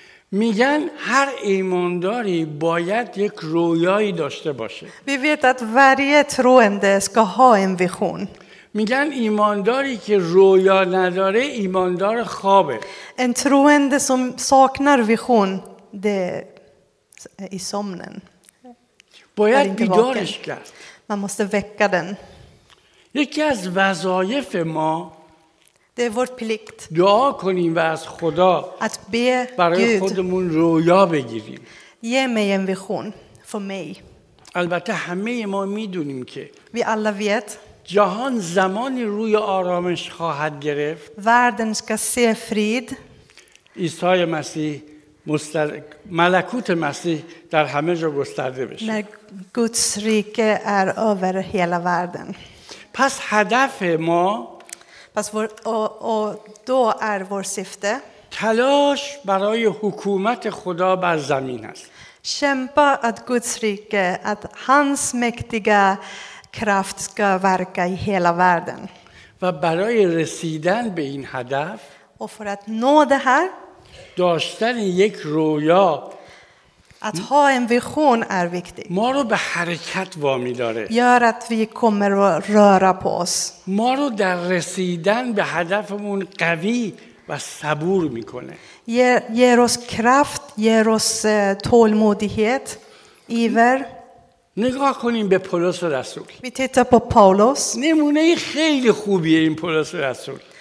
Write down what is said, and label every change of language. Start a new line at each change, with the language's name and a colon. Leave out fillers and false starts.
Persian: میگن هر ایمانداری باید یک رویایی داشته باشه.
Swedish: Vi vet att varje troende ska ha en vision.
Persian: میگن ایمانداری که رویا نداره ایماندار خوابه.
Swedish: En troende som saknar vision, det är i sömnen.
Persian: باید بیدارش کرد.
Swedish: Man måste väcka den.
Persian: یکی از وظایف ما
Swedish: det är vår plikt.
Persian: دعا کنیم و از خدا
Swedish: att be
Persian: برای خودمون رویا بگیریم.
Swedish: Ge mig en vision för mig.
Persian: البته همه ما میدونیم که
Swedish: vi alla vet
Persian: جهان زمانی روی آرامش خواهد گرفت.
Swedish: Världen ska se frid.
Persian: عیسی مسیح ملکوت مسیح در همه جا گسترده بشه.
Swedish: När Guds rike är över hela världen.
Persian: پس هدف ما
Swedish: och då är vår syfte
Persian: تلاش برای حکومت خدا بر زمین است.
Swedish: Kämpa att Guds rike, att hans mäktiga kraft ska verka i hela världen.
Persian: و برای رسیدن به این هدف
Swedish: och för att nå det här
Persian: داشتن یک رویا
Swedish: att ha en vision är viktigt.
Persian: ما رو به حرکت وامی داره.
Swedish: Gör att vi kommer att röra på oss.
Persian: ما رو در رسیدن به هدفمون قوی و صبور میکنه.
Swedish: Ger oss kraft, ger oss tålmodighet, iver.
Persian: نگاه کنیم به پولس رسول.
Swedish: Vi tittar på Paulus.
Persian: نمونه خیلی خوبیه این پولس رسول.